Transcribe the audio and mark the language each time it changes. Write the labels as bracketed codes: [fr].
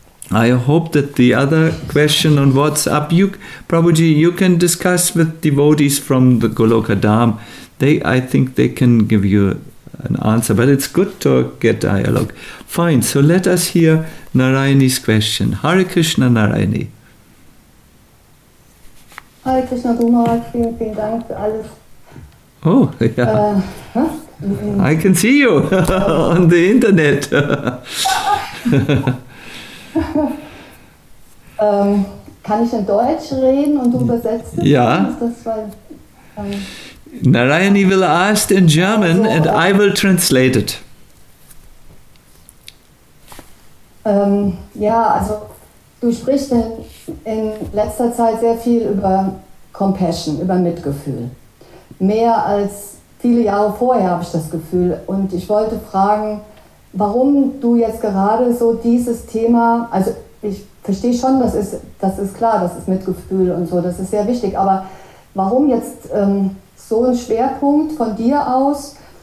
[en] I hope that the other question on WhatsApp, Prabhuji, you can discuss with devotees from the Goloka Dham. I think they can give you an answer, but it's good to get dialogue. Fine, so let us hear Narayani's question. Hare Krishna, Narayani. [de] Hare Krishna, Gumaraj, vielen, vielen Dank für alles. [en] Oh, yeah. I can see you on the internet. [de] kann ich in Deutsch reden und du übersetzt? Ja. [en] Narayani will ask in German, also, and I will translate it. [de] Ja, also du sprichst in letzter Zeit sehr viel über Compassion, über Mitgefühl. Mehr als viele Jahre vorher, habe ich das Gefühl. Und ich wollte fragen, warum du jetzt gerade so dieses Thema, also ich verstehe schon, das ist klar, das ist Mitgefühl und so, das ist sehr wichtig, aber warum jetzt so ein Schwerpunkt von dir aus?